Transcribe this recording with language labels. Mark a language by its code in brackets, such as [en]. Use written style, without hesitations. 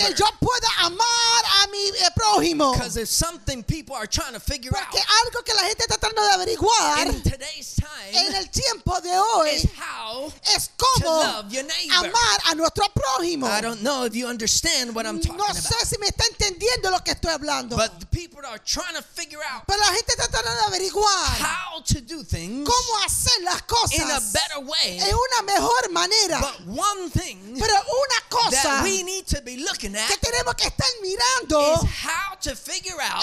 [es] Que yo pueda amar a mi prójimo. [en] Because it's something people are trying to figure [es] Porque [en] out. [es] Algo que la gente está tratando de averiguar [en] in today's time [es] en el tiempo de hoy [en] is how [es] es cómo amar a nuestro prójimo. [en] I don't know if you understand what I'm talking [es] no [en] about. [es] Sé si me está entendiendo lo que estoy hablando. [en] But the people are trying to figure out [es] Pero la gente está tratando de averiguar [en] how to do things [es] cómo hacer las cosas [en] in a better way [es] en una mejor manera. [en] But one thing [es] Pero una cosa [en] that we need to be looking at [es] tenemos que estar mirando [en] is how to figure out